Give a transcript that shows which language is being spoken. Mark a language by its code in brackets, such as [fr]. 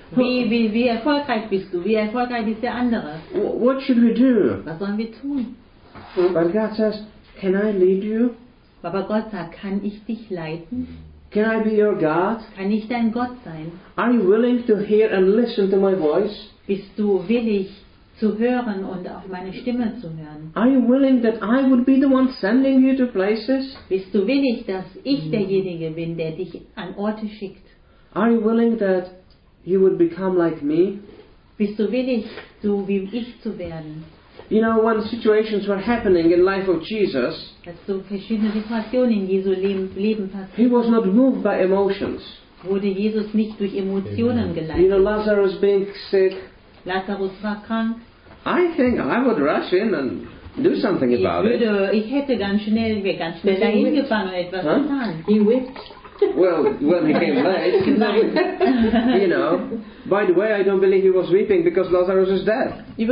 [de] Wie erfolgreich bist du? Wie erfolgreich ist der andere? [en] What should we do? [de] Was sollen wir tun? [en] But God says, can I lead you? [de] Aber Gott sagt, kann ich dich leiten? [en] Can I be your God? [de] Kann ich dein Gott sein? [en] Are you willing to hear and listen to my voice? [de] Bist du willig zu hören und auf meine Stimme zu hören? [en] Are you willing that I would be the one sending you to places? [de] Bist du willig, dass ich derjenige bin, der dich an Orte schickt? [en] Are you willing that you would become like me? [de] Bist du willig, so wie ich zu werden? [en] You know, when situations were happening in life of Jesus, he was not moved by emotions. [de] Wurde Jesus nicht durch Emotionen geleitet. [en] You know, Lazarus being sick. [de] Lazarus war krank. [en] I think I would rush in and do something about it. [de] Ich hätte ganz schnell dahin gefahren und etwas getan. [en] He whipped. Well, when he came late, you know. By the way, I don't believe he was weeping because Lazarus is dead.